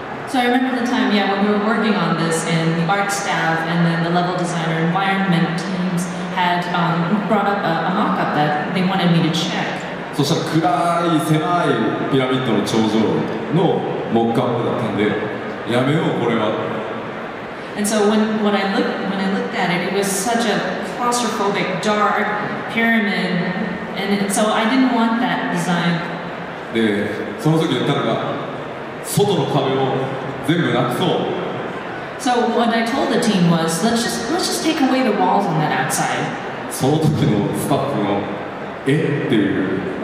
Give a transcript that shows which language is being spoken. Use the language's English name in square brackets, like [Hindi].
[English] So I remember the time, yeah, when we were working on this, and the art staff and then the level designer environment teams had brought up a mock-up that they wanted me to check. [Japanese] そしたら暗い狭いピラミッドの頂上のモックアップだったんで、やめようこれは。 [English] And so when I looked at it, it was such a claustrophobic, dark pyramid, and so I didn't want that design. [Japanese] で、その時言ったのが、外の壁を全部なくそう。 [English] So what I told the team was, let's just take away the walls on that outside. [Japanese] その時のスタッフの、えっていう。